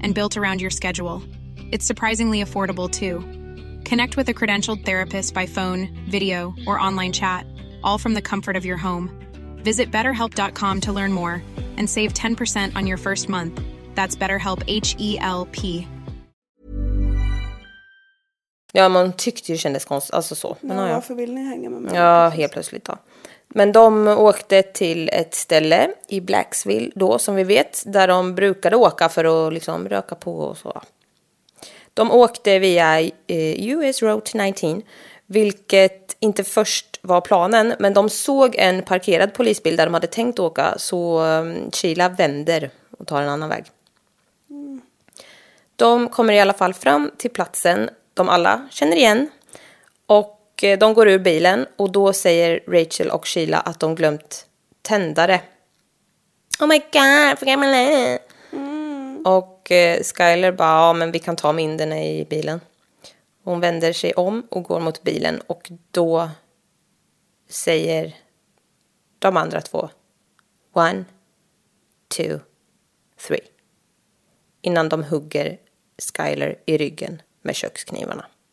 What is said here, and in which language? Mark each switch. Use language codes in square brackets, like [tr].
[en] and built around your schedule. It's surprisingly affordable too. Connect with a credentialed therapist by phone, video, or online chat, all from the comfort of your home. Visit BetterHelp.com to learn more and save 10% on your first month. That's BetterHelp, H-E-L-P. [sv] Ja, man tyckte ju kändes konstigt, alltså så. Men ja, varför vill ni hänga med mig? Ja, helt plötsligt då. Men de åkte till ett ställe i Blacksville då, som vi vet, där de brukade åka för att liksom röka på och så. De åkte via US Route 19, vilket inte först var planen, men de såg en parkerad polisbil där de hade tänkt åka, så Sheila vänder och tar en annan väg. De kommer i alla fall fram till platsen de alla känner igen, och de går ur bilen, och då säger Rachel och Sheila att de glömt tändare. [en] Oh my god, forget my light. [sv] Och Skyler bara, ja, men vi kan ta minderna i bilen. Hon vänder sig om och går mot bilen, och då säger de andra två 1, 2, 3 innan de hugger Skyler i ryggen med köksknivarna.